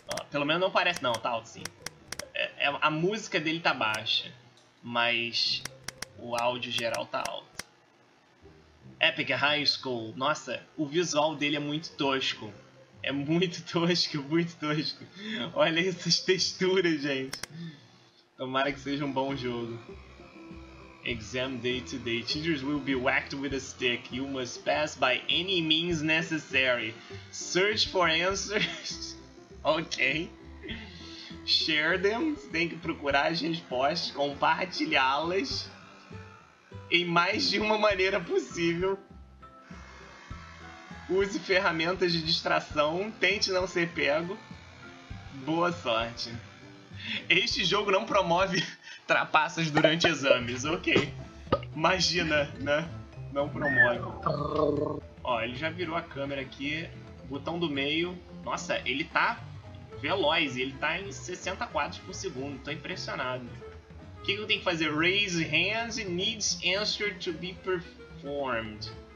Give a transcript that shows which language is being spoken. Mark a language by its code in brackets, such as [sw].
[pt] Pelo menos não parece, não, tá alto sim. A música dele tá baixa, mas o áudio geral tá alto. Epic High School. Nossa, o visual dele é muito tosco. É muito tosco, muito tosco. Olha essas texturas, gente. Tomara que seja um bom jogo. [en] Exam day today. Teachers will be whacked with a stick. You must pass by any means necessary. Search for answers. Ok. Share them. [pt] Tem que procurar as respostas, compartilhá-las em mais de uma maneira possível. Use ferramentas de distração. Tente não ser pego. Boa sorte. Este jogo não promove trapaças durante exames. Ok. Imagina, né? Não promove. Ó, ele já virou a câmera aqui. Botão do meio. Nossa, ele tá veloz, ele tá em 60 quadros por segundo, tô impressionado. O que eu tenho que fazer? [en] Raise hands needs answer to be performed.